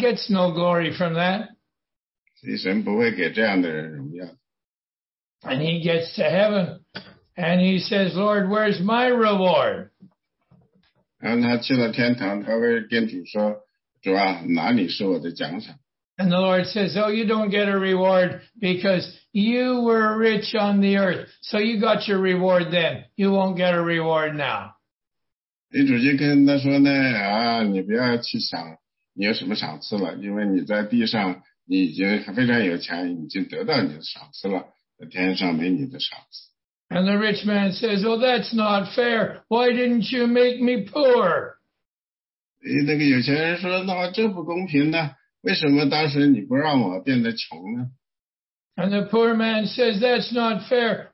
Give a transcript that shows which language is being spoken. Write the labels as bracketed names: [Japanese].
[English] gets no glory from that. [Chinese] 所以神不会给这样的人荣耀。 [English] And he gets to heaven, and he says, "Lord, where's my reward?" [Chinese] 然后他去了天堂，他会跟主说：“主啊，哪里是我的奖赏？” [English] And the Lord says, oh, you don't get a reward because you were rich on the earth. So you got your reward then. You won't get a reward now. [Chinese] 你主就跟他说呢，你不要去想你有什么赏赐了，因为你在地上你已经非常有钱，已经得到你的赏赐了，天上没你的赏赐。 [English] And the rich man says, well, that's not fair. Why didn't you make me poor? [Chinese] 那个有钱人说，那这不公平呢。为什么当时你不让我变得穷呢？ [English] And the poor man says, that's not fair.